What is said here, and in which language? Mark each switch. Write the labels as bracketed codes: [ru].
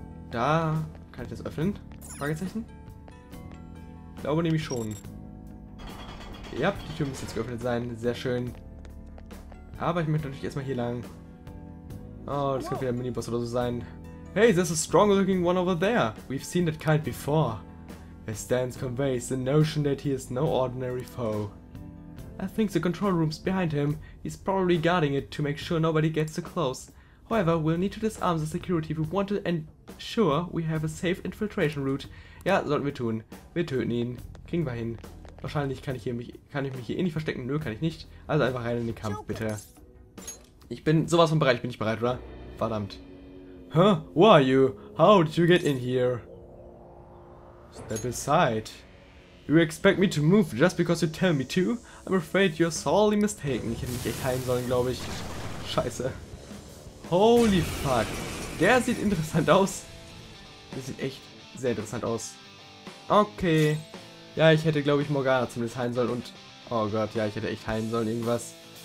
[de] Da kann ich das öffnen? Fragezeichen? Glaube nämlich schon. Ja, die Tür müsste jetzt geöffnet sein. Sehr schön. Aber ich möchte natürlich erstmal hier lang. Oh, das könnte wieder ein Miniboss oder so sein. [en] Hey, there's a stronger looking one over there. We've seen that kind before. His stance conveys the notion that he is no ordinary foe. I think the control room's behind him. He's probably guarding it to make sure nobody gets too close. However, we'll need to disarm the security if we want to ensure we have a safe infiltration route. [de] Ja, sollten wir tun. Wir töten ihn. Kriegen wir hin. Wahrscheinlich kann ich mich hier eh nicht verstecken. Nö, kann ich nicht. Also einfach rein in den Kampf, bitte. Ich bin sowas von bereit. Ich bin nicht bereit, oder? Verdammt. [en] Huh? Who are you? How did you get in here? Step aside. You expect me to move just because you tell me to? I'm afraid you're sorely mistaken. [de] Ich hätte mich echt heilen sollen, glaube ich. Scheiße. [en] Holy fuck. [de] Der sieht interessant aus. Der sieht echt sehr interessant aus. Okay. Ja, ich hätte, glaube ich, Morgana zumindest heilen sollen und... Oh Gott, ja, ich hätte echt heilen sollen, irgendwas.